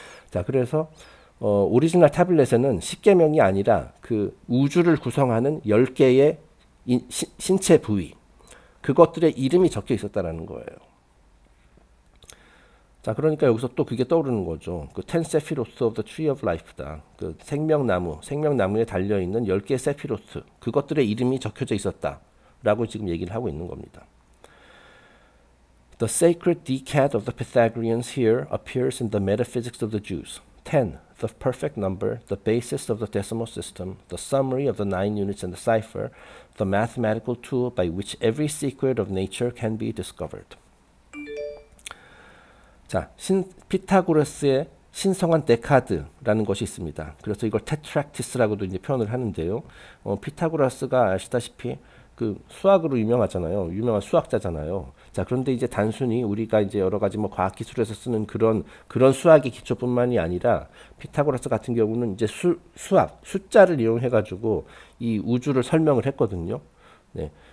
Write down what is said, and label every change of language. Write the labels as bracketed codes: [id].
[ko] 자, 그래서 오리지널 태블릿에는 십계명이 아니라 그 우주를 구성하는 10개의 신체 부위 그것들의 이름이 적혀 있었다라는 거예요. 자, 그러니까 여기서 또 그게 떠오르는 거죠. [en] 그텐 세피로스 오브 더 트리 오브 라이프다. [ko] 그 생명나무에 달려 있는 10개의 세피로스 그것들의 이름이 적혀져 있었다. 라고 지금 얘기를 하고 있는 겁니다. [en] The sacred decad of the Pythagoreans here appears in the metaphysics of the Jews. 10, the perfect number, the basis of the decimal system, the summary of the nine units in the cipher, the mathematical tool by which every secret of nature can be discovered. [ko] 자, 피타고라스의 신성한 데카드라는 것이 있습니다. 그래서 이걸 테트락티스라고도 이제 표현을 하는데요. 피타고라스가 아시다시피 그 수학으로 유명하잖아요. 유명한 수학자잖아요. 자, 그런데 이제 단순히 우리가 이제 여러 가지 뭐 과학기술에서 쓰는 그런 수학의 기초뿐만이 아니라 피타고라스 같은 경우는 이제 수학, 숫자를 이용해가지고 이 우주를 설명을 했거든요. 네.